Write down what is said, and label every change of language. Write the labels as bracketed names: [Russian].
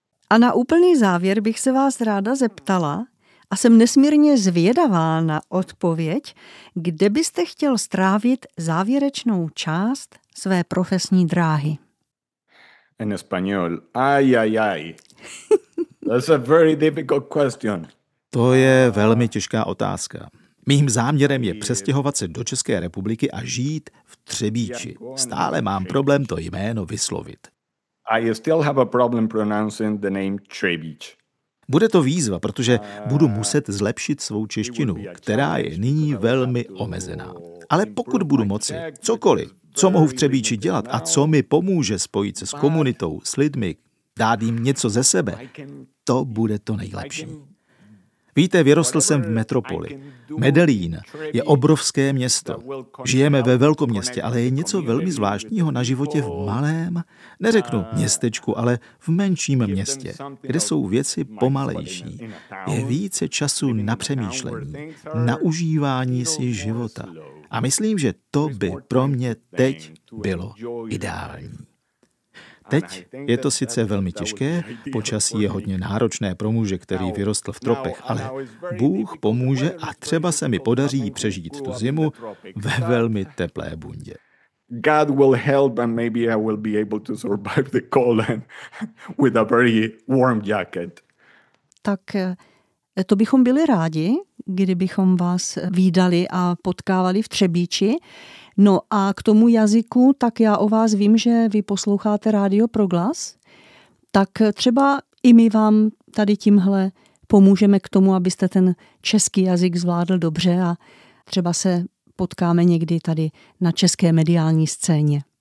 [Czech] A na úplný závěr bych se vás ráda zeptala, a jsem nesmírně zvědavá na odpověď, kde byste chtěl strávit závěrečnou část své profesní dráhy? [Spanish] En español. Ay, ay, ay. [English] That's a very difficult question. [Czech] To je velmi těžká otázka. Mým záměrem je přestěhovat se do České republiky a žít v Třebíči. Stále mám problém to jméno vyslovit. [English] I still have a problem pronouncing the name Třebíč. [Czech] Bude to výzva, protože budu muset zlepšit svou češtinu, která je nyní velmi omezená. Ale pokud budu moci, cokoliv, co mohu v Třebíči dělat a co mi pomůže spojit se s komunitou, s lidmi, dát jim něco ze sebe, to bude to nejlepší. Víte, vyrostl jsem v metropoli. Medellín je obrovské město. Žijeme ve velkoměstě, ale je něco velmi zvláštního na životě v malém, neřeknu městečku, ale v menším městě, kde jsou věci pomalejší. Je více času na přemýšlení, na užívání si života. A myslím, že to by pro mě teď bylo ideální. Teď je to sice velmi těžké, počasí je hodně náročné pro muže, který vyrostl v tropech, ale Bůh pomůže a třeba se mi podaří přežít tu zimu ve velmi teplé bundě. [English] God will help and maybe I will be able to survive the cold with a very warm jacket. [Czech] Tak to bychom byli rádi, kdybychom vás vídali a potkávali v Třebíči. No a k tomu jazyku, tak já o vás vím, že vy posloucháte Rádio Proglas, tak třeba i my vám tady tímhle pomůžeme k tomu, abyste ten český jazyk zvládl dobře a třeba se potkáme někdy tady na české mediální scéně.